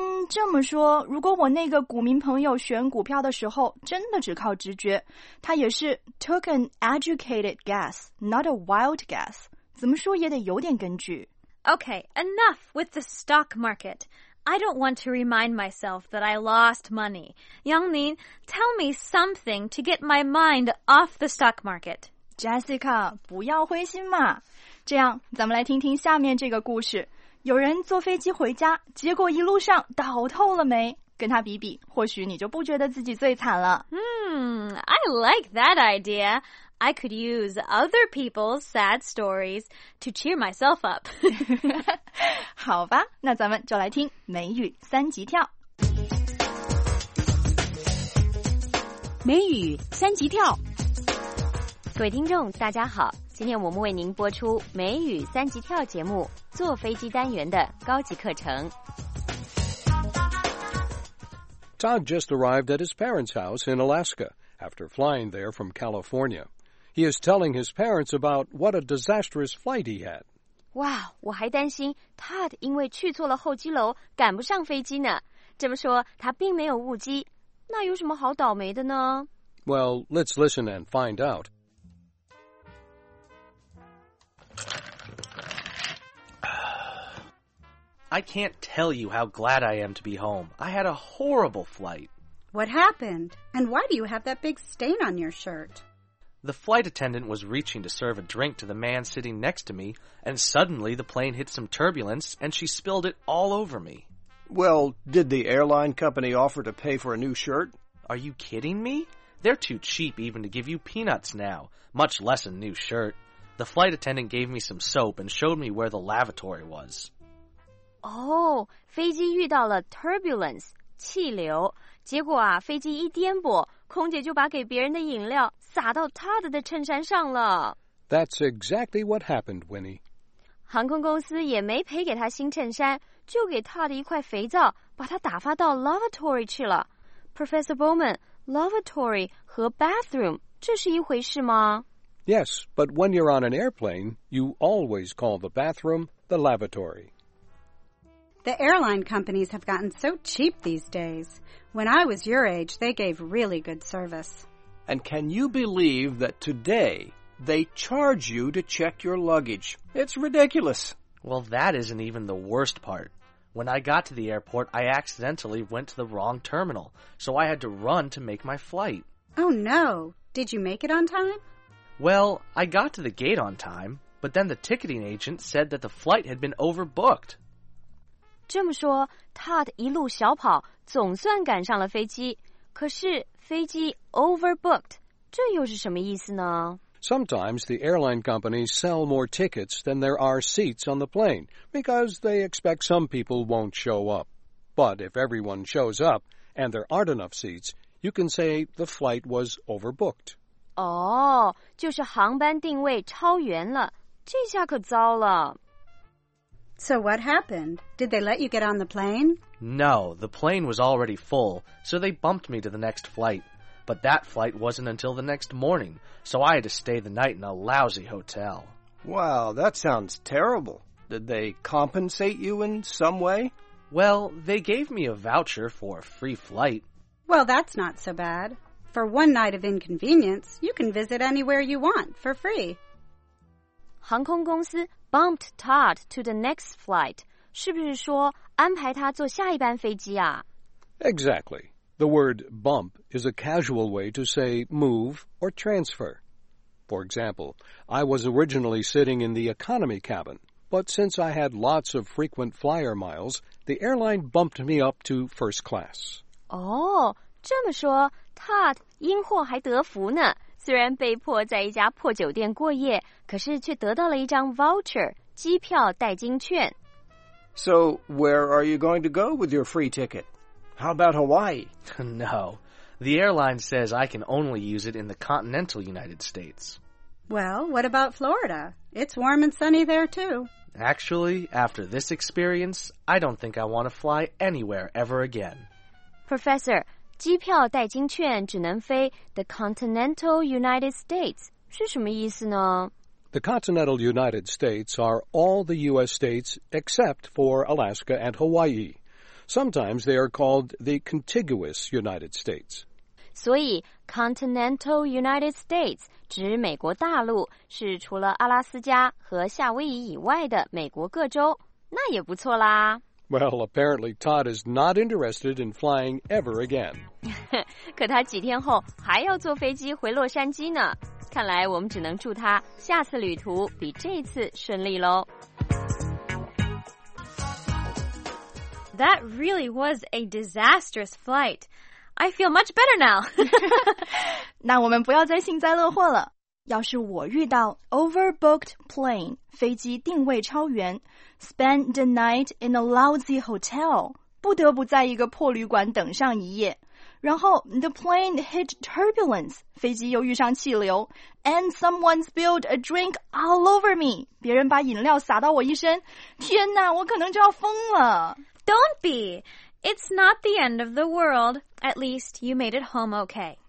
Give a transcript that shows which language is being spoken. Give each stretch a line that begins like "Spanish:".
Chinese: 这么说，如果我那个股民朋友选股票的时候，真的只靠直觉，他也是
English: took an educated guess, not a wild guess，
Chinese: 怎么说也得有点根据。
English: Okay, enough with the stock market. I don't want to remind myself that I lost money. Yangning, tell me something to get my mind off the stock market.
Chinese: Jessica, 不要灰心嘛。这样，咱们来听听下面这个故事。有人坐飞机回家，结果一路上倒透了霉。跟他比比，或许你就不觉得自己最惨了。
English: I like that idea. I could use other people's sad stories to cheer myself up.
Chinese: 好吧，那咱们就来听美语三级跳。美语三级跳。各位听众，大家好，今天我们为您播出美语三级跳节目坐飞机单元的高级课程。
English: Todd just arrived at his parents' house in Alaska after flying there from California. He is telling his parents about what a disastrous flight he had.
Chinese: Wow, 我还担心 Todd 因为去错了候机楼赶不上飞机呢。这么说他并没有误机，那有什么好倒霉的呢？
English: Well, let's listen and find out. I can't tell you how glad I am to be home. I had a horrible flight. What happened? And why do you have that big stain on your shirt? The flight attendant was reaching to serve a drink to the man sitting next to me, and suddenly the plane hit some turbulence, and she spilled it all over me. Well, did the airline company offer to pay for a new shirt? Are you kidding me? They're too cheap even to give you peanuts now, much less a new shirt. The flight attendant gave me some soap and showed me where the lavatory was.
Chinese: Oh, 飞机遇到了 turbulence, 气流。结果啊，飞机一颠簸，空姐就把给别人的饮料洒到 Todd 的衬衫上了。
English: That's exactly what happened, Winnie.
Chinese: 航空公司也没赔给他新衬衫，就给 Todd 一块肥皂，把他打发到 lavatory 去了。 Professor Bowman, lavatory 和 bathroom, 这是一回事吗？
English: Yes, but when you're on an airplane, you always call the bathroom the lavatory. The airline companies have gotten so cheap these days. When I was your age, they gave really good service. And can you believe that today they charge you to check your luggage? It's ridiculous. Well, that isn't even the worst part. When I got to the airport, I accidentally went to the wrong terminal, so I had to run to make my flight. Oh no! Did you make it on time? Well, I got to the gate on time, but then the ticketing agent said that the flight had been overbooked.
Chinese: 这么说 ,Todd 一路小跑总算赶上了飞机。可是飞机 overbooked, 这又是什么意思呢？
English: Sometimes the airline companies sell more tickets than there are seats on the plane, because they expect some people won't show up. But if everyone shows up, and there aren't enough seats, you can say the flight was overbooked.
Chinese: 哦，就是航班定位超员了，这下可糟了。
English: So what happened? Did they let you get on the plane? No, the plane was already full, so they bumped me to the next flight. But that flight wasn't until the next morning, so I had to stay the night in a lousy hotel. Wow, that sounds terrible. Did they compensate you in some way? Well, they gave me a voucher for a free flight. Well, that's not so bad. For one night of inconvenience, you can visit anywhere you want for free.
Chinese: 航空公司
English: bumped Todd to the next flight.
Chinese: 是不是说安排他坐下一班飞机啊?
English: Exactly. The word bump is a casual way to say move or transfer. For example, I was originally sitting in the economy cabin, but since I had lots of frequent flyer miles, the airline bumped me up to first class.
Chinese: Oh, 这么说, Todd 因祸还得福呢。虽然被迫在一家破酒店过夜，可是却得到了一张 voucher 机票代金券。
English: So, where are you going to go with your free ticket? How about Hawaii? No, the airline says I can only use it in the continental United States. Well, what about Florida? It's warm and sunny there too. Actually, after this experience, I don't think I want to fly anywhere ever again.
Chinese: Professor,机票代金券只能飞 the continental United States 是什么意思呢?
English: The continental United States are all the U.S. states except for Alaska and Hawaii. Sometimes they are called the contiguous United States.
Chinese: 所以 continental United States 指美国大陆是除了阿拉斯加和夏威夷以外的美国各州，那也不错啦。
English: Well, apparently Todd is not interested in flying ever again.
Chinese: 可他几天后还要坐飞机回洛杉矶呢。看来我们只能祝他下次旅途比这次顺利咯。
English: That really was a disastrous flight. I feel much better now.
Chinese: 那我们不要再幸灾乐祸了。要是我遇到 overbooked plane, 飞机定位超员
English: spend the night in a lousy hotel,
Chinese: 不得不在一个破旅馆等上一夜。然后
English: the plane hit turbulence,
Chinese: 飞机又遇上气流
English: and someone spilled a drink all over me,
Chinese: 别人把饮料洒到我一身。天哪，我可能就要疯了。
English: Don't be. It's not the end of the world. At least you made it home okay.